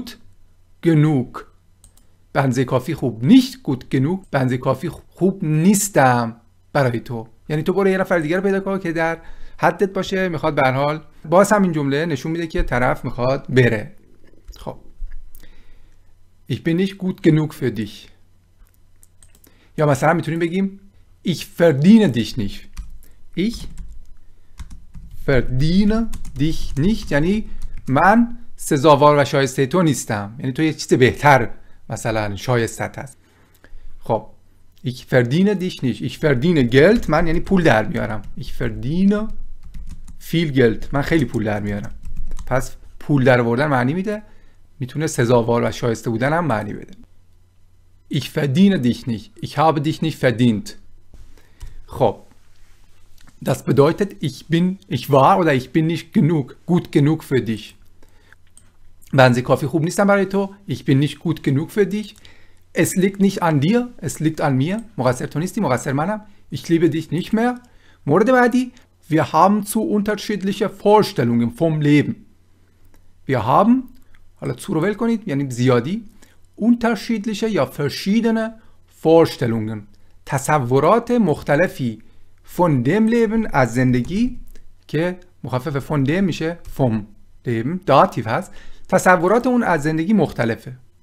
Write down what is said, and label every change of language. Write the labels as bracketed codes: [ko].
[fa] gut genug به اندازه کافی خوب. [de] nicht gut genug، [fa] به اندازه کافی خوب نیستم برای تو. یعنی تو برو یه نفر دیگر پیدا کن که در حدت باشه. میخواد به هر حال باز هم این جمله نشون میده که طرف میخواد بره. [de] خب ich bin nicht gut genug für dich. [fa] یا مثلا میتونیم بگیم [de] ich verdiene dich nicht. [fa] ich verdiene dich nicht یعنی من سزاوار و شایسته تو نیستم، یعنی تو یه چیز بهتر مثلا شایسته هست. [de] خب ich verdiene dich nicht. ich verdiene geld، [fa] من یعنی پول در میارم. [de] ich verdiene viel geld، [fa] من خیلی پول در میارم. پس پول در آوردن معنی میده، میتونه سزاوار و شایسته بودن هم معنی بده. [de] ich verdiene dich nicht. ich habe dich nicht verdient. خب das bedeutet ich war oder ich bin nicht genug gut genug für dich. [fa] من زی کافی خوب نیستم برای تو. [de] ich bin nicht gut genug für dich. es liegt nicht an dir. es liegt an mir. [fa] مقصر تو نیستی، مقصر منم. [de] ich liebe dich nicht mehr. [fa] مورد بعدی [de] wir haben zu unterschiedliche Vorstellungen vom Leben. [fa] wir haben، حالا zu رو ول کنید، یعنی زیادی، unterschiedliche یا verschiedene Vorstellungen، تصورات مختلفی [de] von dem Leben، [fa] از زندگی، که مخفف von dem میشه، [de] vom Leben، [fa] داتیو هست، تصورات اون از زندگی مختلفه.